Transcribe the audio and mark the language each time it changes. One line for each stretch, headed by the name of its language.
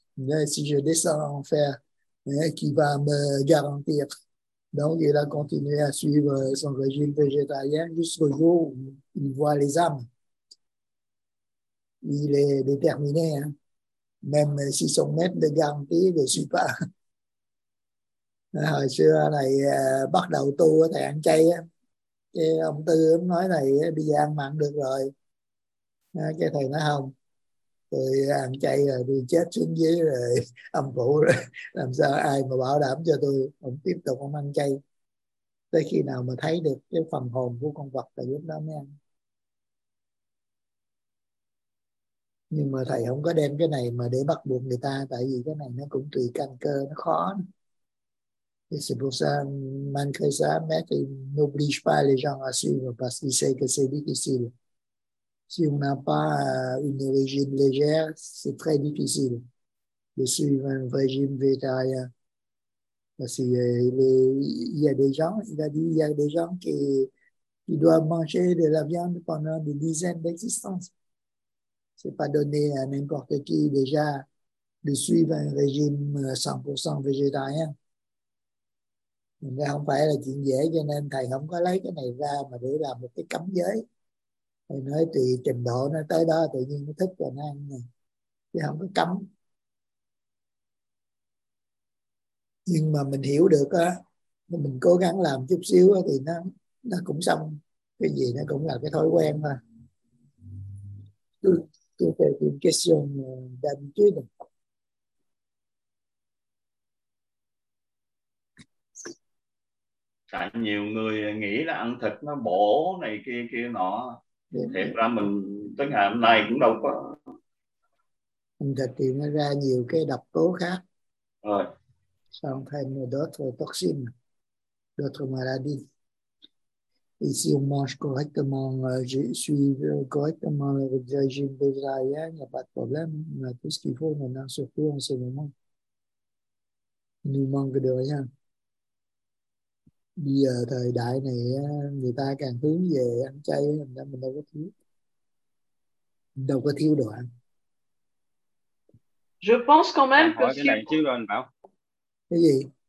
French: Mais si je descends en enfer, qui va me garantir? Donc, il a continué à suivre son régime végétarien jusqu'au jour où il voit les âmes. Il est déterminé, hein. Même si son maître le garantit, je suis pas.
Vietnamese: Hồi xưa này bắt đầu tu thầy ăn chay á, cái ông Tư ông nói này bây giờ ăn mặn được rồi, cái thầy nói không, tôi ăn chay rồi tôi chết xuống dưới rồi âm phủ rồi, làm sao ai mà bảo đảm cho tôi ông tiếp tục ông ăn chay tới khi nào mà thấy được cái phần hồn của con vật là lúc đó mới ăn. Nhưng mà thầy không có đem cái này mà để bắt buộc người ta, tại vì cái này nó cũng tùy căn cơ, nó khó.
French: Et c'est pour ça, malgré ça, maître, il n'oblige pas les gens à suivre parce qu'il sait que c'est difficile. Si on n'a pas une régime légère, c'est très difficile de suivre un régime végétarien. Parce qu'il y a des gens, il a dit, il y a des gens qui doivent manger de la viande pendant des dizaines d'existences. Ce n'est pas donné à n'importe qui déjà de suivre un régime 100% végétarien.
Vietnamese: Nó không phải là chuyện dễ, cho nên thầy không có lấy cái này ra mà để làm một cái cấm giới. Thầy nói tùy trình độ nó tới đó tự nhiên nó thích rồi nó ăn này, chứ không có cấm. Nhưng mà mình hiểu được á, mình cố gắng làm chút xíu á thì nó cũng xong. Cái gì nó cũng là cái thói quen mà. Tôi phải tìm cái xong đánh chứ được. Tại nhiều người nghĩ là ăn thịt nó bổ này kia nọ. Thật ra mình tới ngày hôm nay cũng đâu có. Ăn thịt thì nó ra nhiều cái độc tố khác. Rồi. Xong thêm
French: d'autres toxines, d'autres maladies. Et si on mange correctement, suivre correctement le régime végétarien, il n'y a pas de problème. On a tout ce qu'il faut maintenant, surtout en ce moment. Il nous manque de rien.
Vietnamese: Bây giờ thời đại này người ta càng hướng về ăn chay, mình đâu có thiếu. Mình đâu có thiếu đồ ăn.
French: Je pense quand même que
Vietnamese: cái này chứ anh Bảo. Cái gì?